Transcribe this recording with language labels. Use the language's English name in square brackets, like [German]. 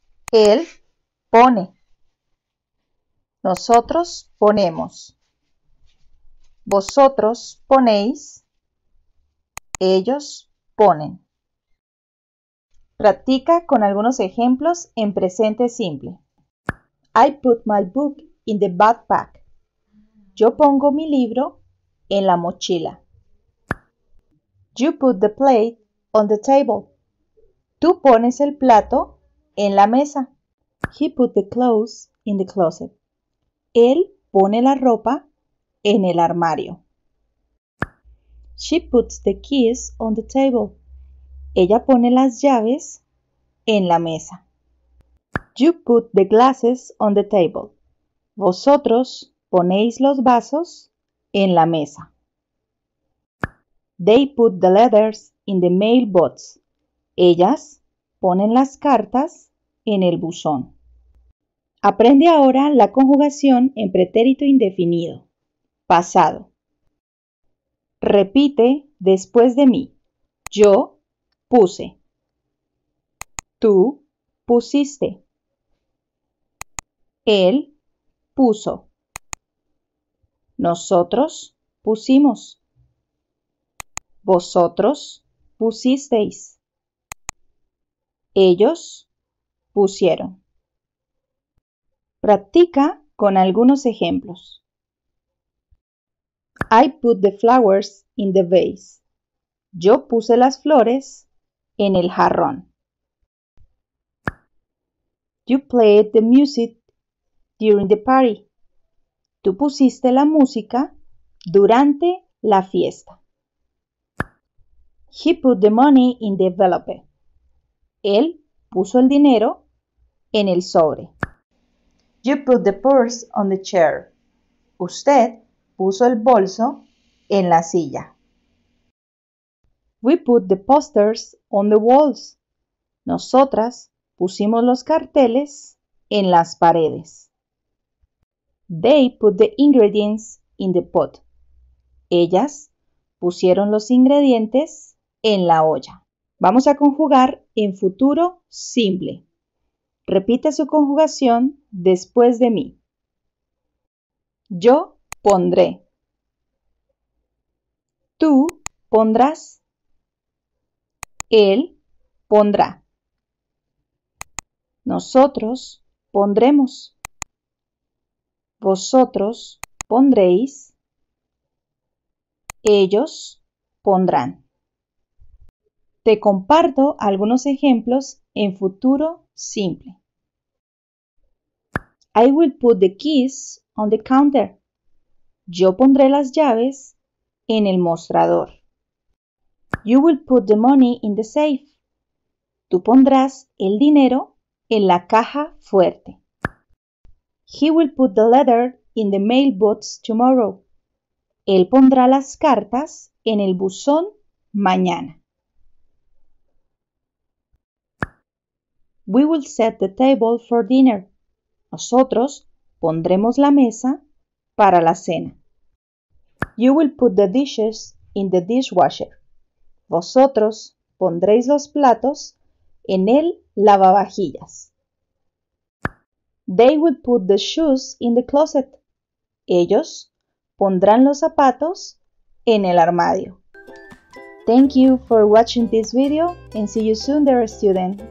[Spanish] Él pone. Nosotros ponemos. Vosotros ponéis. Ellos ponen. Practica con algunos ejemplos en presente simple. [English] I put my book in the backpack. [Spanish] Yo pongo mi libro en la mochila. [English] You put the plate on the table. [Spanish] Tú pones el plato en la mesa. [English] He put the clothes in the closet. [Spanish] Él pone la ropa en el armario. [English] She puts the keys on the table. [Spanish] Ella pone las llaves en la mesa. [English] You put the glasses on the table. [Spanish] Vosotros ponéis los vasos en la mesa. [English] They put the letters in the mailbox. [Spanish] Ellas ponen las cartas en el buzón. Aprende ahora la conjugación en pretérito indefinido. Pasado. Repite después de mí. Yo puse. Tú pusiste. Él puso. Nosotros pusimos. Vosotros pusisteis. Ellos pusieron. Practica con algunos ejemplos. [English] I put the flowers in the vase. [Spanish] Yo puse las flores en el jarrón. [English] You played the music during the party. [Spanish] Tú pusiste la música durante la fiesta. [English] He put the money in the envelope. [Spanish] Él puso el dinero en el sobre. [English] You put the purse on the chair. [Spanish] Usted puso el bolso en la silla. [English] We put the posters on the walls. [Spanish] Nosotras pusimos los carteles en las paredes. [English] They put the ingredients in the pot. [Spanish] Ellas pusieron los ingredientes en la olla. Vamos a conjugar en futuro simple. Repite su conjugación después de mí. Yo pondré. Tú pondrás. Él pondrá. Nosotros pondremos. Vosotros pondréis. Ellos pondrán. Te comparto algunos ejemplos en futuro simple. [English] I will put the keys on the counter. [Spanish] Yo pondré las llaves en el mostrador. [English] You will put the money in the safe. [Spanish] Tú pondrás el dinero en la caja fuerte. [English] He will put the letter in the mailbox tomorrow. [Spanish] Él pondrá las cartas en el buzón mañana. [English] We will set the table for dinner. [Spanish] Nosotros pondremos la mesa para la cena. [English] You will put the dishes in the dishwasher. [Spanish] Vosotros pondréis los platos en el lavavajillas. [English] They will put the shoes in the closet. [Spanish] Ellos pondrán los zapatos en el armario. [English] Thank you for watching this video and see you soon, dear student.